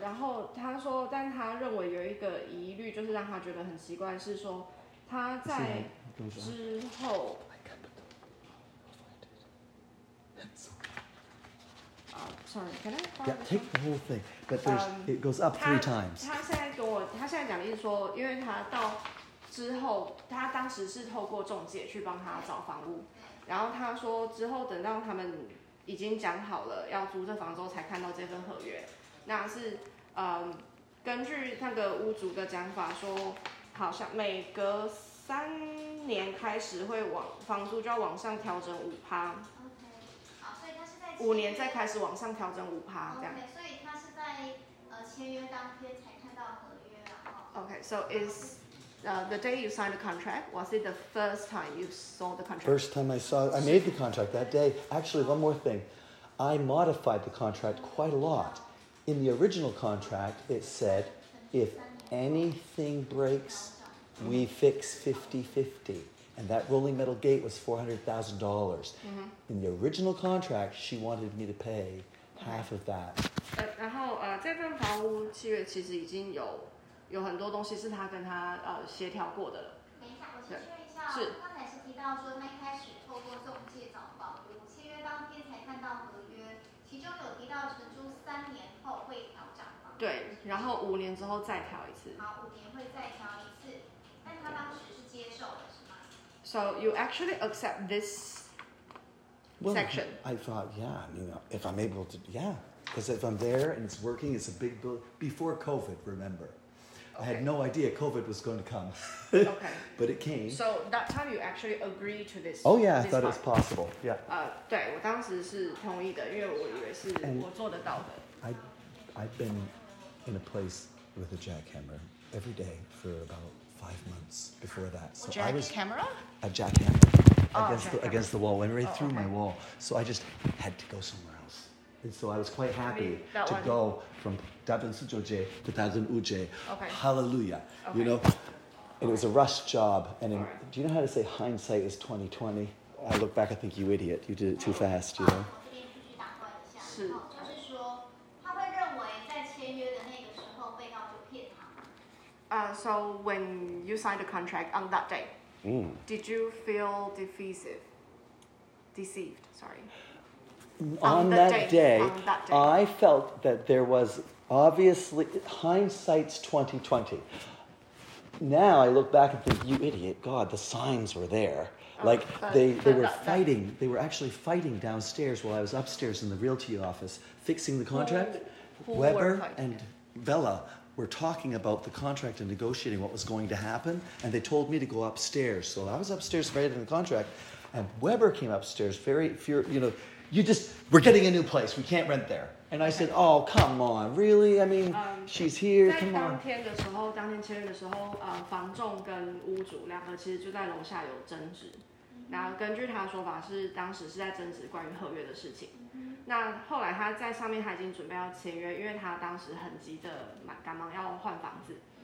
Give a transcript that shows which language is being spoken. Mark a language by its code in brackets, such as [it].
[zh] 然后他说, 但他认为有一个疑虑就是让他觉得很奇怪, 是说, 他在之后, [en] I can't put the, I'll find it. It's so sorry, can I? Yeah, take the whole thing, but there's, it goes up three times. [zh] 他现在讲的意思说，因为他到之后，他当时是透过中介去帮他找房屋，然后他说之后等到他们已经讲好了要租这房之后，才看到这份合约。那是根据那个屋主的讲法说，好像每隔三年开始会往房租就要往上调整5%。 Okay. 好，所以他是在五年再开始往上调整5%这样。 Okay, 所以他是在签约当天才看到合约 [en] Okay, so is the day you signed the contract, was it the first time you saw the contract? First time I saw, I made the contract that day. Actually, one more thing, I modified the contract quite a lot. In the original contract, it said, if anything breaks, we fix 50-50. And that rolling metal gate was $400,000. Mm-hmm. In the original contract, she wanted me to pay half of that. [zh] 然后这份房屋契约其实已经有很多东西是他跟他协调过的了。等一下，我先确认一下，是刚才是提到说，那开始透过中介找房屋，契约当天才看到合约，其中有提到承租三年后会调涨房屋。对，然后五年之后再调一次。好，五年会再调一次，但他当时是接受的，是吗 [en] ？So you actually accept this section? Well, I thought, yeah, you know, if I'm able to, yeah. Because if I'm there and it's working, it's a big build. Before COVID, remember. Okay. I had no idea COVID was going to come. Okay. But it came. So that time you actually agreed to this. Oh, yeah, this I thought it was possible. Yeah. [zh] 对，我当时是同意的，因为我以为是我做得到的。 [en] I've been in a place with a jackhammer every day for about 5 months before that. So a jackhammer? A jackhammer. Against the wall, went right through my wall. So I just had to go somewhere. And so I was quite happy to go from Dabin Sujoje to Dabin Uje. Okay. Hallelujah. Okay. You know, it was a rush job. And in, right. Do you know how to say hindsight is 20/20? I look back, I think you idiot. You did it too fast, you know? [zh] 我这边继续打断一下。是。就是说，他会认为在签约的那个时候被告就骗他。 [en] So when you signed the contract on that day, did you feel deceived? Sorry. On that day, I felt that there was obviously, hindsight's 20/20. Now I look back and think, you idiot, God, the signs were there. Like, they were actually fighting downstairs while I was upstairs in the realty office fixing the contract. Who Weber and Bella were talking about the contract and negotiating what was going to happen, and they told me to go upstairs. So I was upstairs writing the contract, and Weber came upstairs very, you know,we're getting a new place. We can't rent there. And I said, oh, come on. Really? I mean, she's here. Come on. [zh] 在当天的时候，当天签约的时候，房仲跟屋主两个其实就在楼下有争执。那根据他的说法是，当时是在争执关于合约的事情。那后来他在上面他已经准备要签约，因为他当时很急的赶忙要换房子。